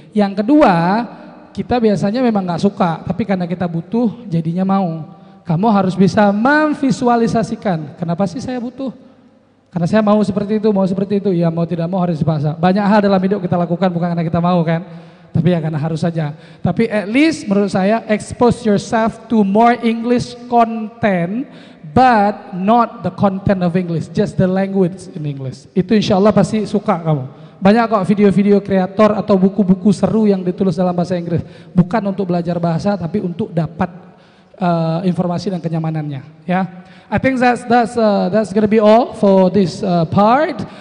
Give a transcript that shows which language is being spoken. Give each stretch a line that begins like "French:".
Indonesian: Yang kedua, kita biasanya memang gak suka, tapi karena kita butuh jadinya mau. Kamu harus bisa memvisualisasikan. Kenapa sih saya butuh? Karena saya mau seperti itu, ya mau tidak mau harus dipaksa. Banyak hal dalam hidup kita lakukan bukan karena kita mau kan, tapi ya karena harus saja. Tapi at least menurut saya,
English: expose yourself to more English content, but not the content of English, just the language in English.
Indonesian: Itu insya Allah pasti suka kamu. Banyak kok video-video kreator atau buku-buku seru yang ditulis dalam bahasa Inggris. Bukan untuk belajar bahasa, tapi untuk dapat informasi dan kenyamanannya, ya.
English: I think that's gonna be all for this part.